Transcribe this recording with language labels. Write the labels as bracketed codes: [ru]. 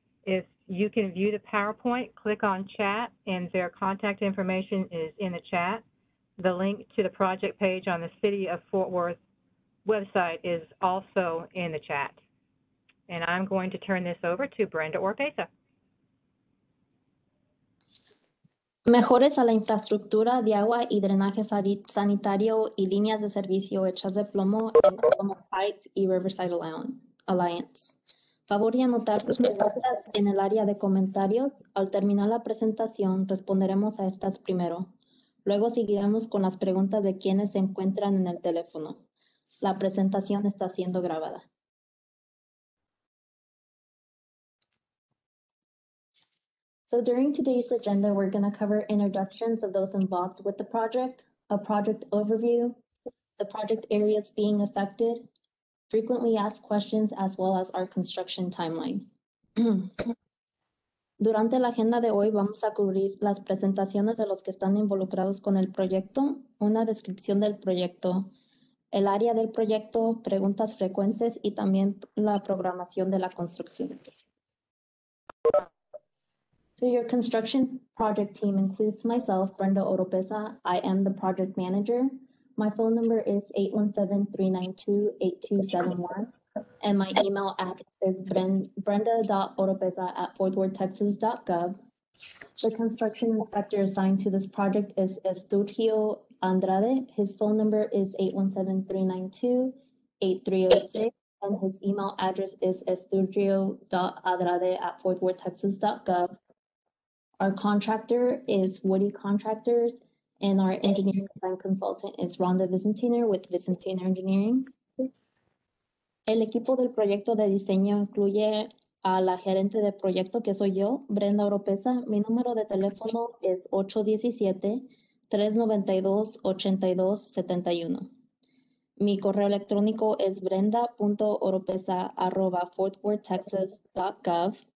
[en] If you can view the PowerPoint, click on chat, and their contact information is in the chat. The link to the project page on the City of Fort Worth website is also in the chat. And I'm going to turn this over to Brenda Oropesa. [es] Mejores a la infraestructura de agua y drenaje sanitario y líneas de servicio hechas de plomo en Alamo Heights y Riverside Alliance. Favor y anotar sus preguntas en el área de comentarios. Al terminar la presentación, responderemos a estas primero. Luego seguiremos con las preguntas de quienes se encuentran en el teléfono. La presentación está siendo grabada. [en] So during today's agenda, we're going to cover introductions of those involved with the project, a project overview, the project areas being affected, frequently asked questions, as well as our construction timeline. [es] Durante la agenda de hoy, vamos a cubrir las presentaciones de los que están involucrados con el proyecto, una descripción del proyecto, el área del proyecto, preguntas frecuentes y también la programación de la construcción. [en] So your construction project team includes myself, Brenda Oropesa. I am the project manager. My phone number is 817-392-8271. And my email address is brenda.oropesa@fortworthtexas.gov. The construction inspector assigned to this project is Eustergio Andrade. His phone number is 817-392-8306. And his email address is eustergio.andrade@fortworthtexas.gov. Our contractor is Woody Contractors, and our engineering design consultant is Rhonda Vicentiner with Vicentiner Engineering. [es] El equipo del proyecto de diseño incluye a la gerente de proyecto, que soy yo, Brenda Oropesa. Mi número de teléfono es 817-392-8271. Mi correo electrónico es brenda.oropesa@fortworthtexas.gov.